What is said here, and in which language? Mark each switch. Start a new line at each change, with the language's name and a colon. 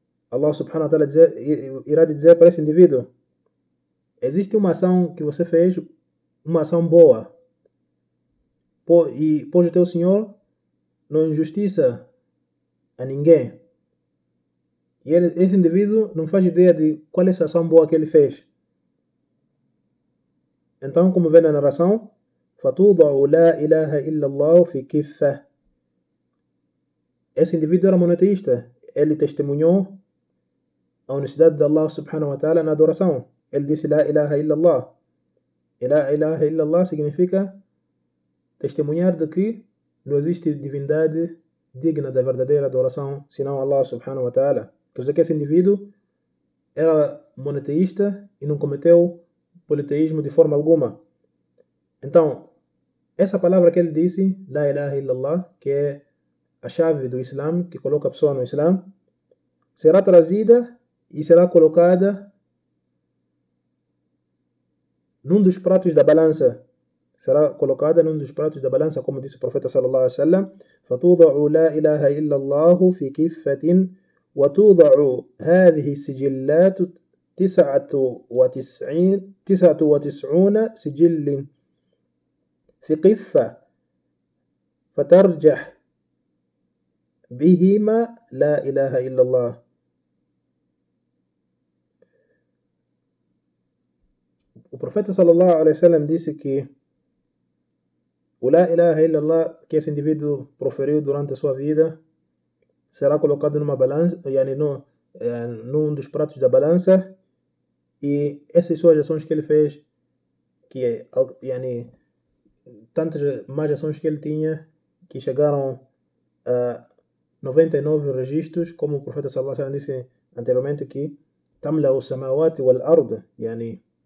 Portuguese: Allah subhanahu wa ta'ala irá dizer para esse indivíduo: existe uma ação que você fez, uma ação boa, e pôs o teu senhor não injustiça a ninguém. E ele, esse indivíduo não faz ideia de qual é essa ação boa que ele fez. Então, como vê na narração,
Arabic: فَتُوضَعُ لَا إِلَهَ إِلَّا اللَّهُ فِي كِفَّةِ.
Portuguese: Esse indivíduo era monoteísta. Ele testemunhou a unicidade de Allah subhanahu wa ta'ala na adoração. Ele disse La ilaha illallah. La ilaha illallah significa testemunhar de que não existe divindade digna da verdadeira adoração senão Allah subhanahu wa ta'ala. Quer dizer que esse indivíduo era monoteísta e não cometeu politeísmo de forma alguma. Então, essa palavra que ele disse, La ilaha illallah, que é a chave do Islam, que coloca a pessoa no Islam, será trazida e será colocada num dos pratos da balança. Será colocada num dos pratos da balança, como disse o profeta sallallahu alaihi wasallam,
Arabic: فَتُوضَعُ لَا إِلَهَ إِلَّا اللَّهُ فِي كِفَّةٍ وَتُوضَعُ هَذِهِ السِّجِلَّاتُ 99 سِجِلٍ فِي كِفَّةٍ فَتَرْجَحْ بِهِمَا لَا إِلَهَ إِلَّا اللَّهُ.
Portuguese: O profeta sallallahu alaihi wasallam disse que o la ilaha illallah que esse indivíduo proferiu durante a sua vida será colocado numa balança, yani num dos pratos da balança, e essas suas ações que ele fez, que yani tantas mais ações que ele tinha, que chegaram a 99 registros, como o profeta sallallahu alaihi wasallam disse anteriormente, que
Arabic: tamla o samawati wal ard,
Portuguese: yani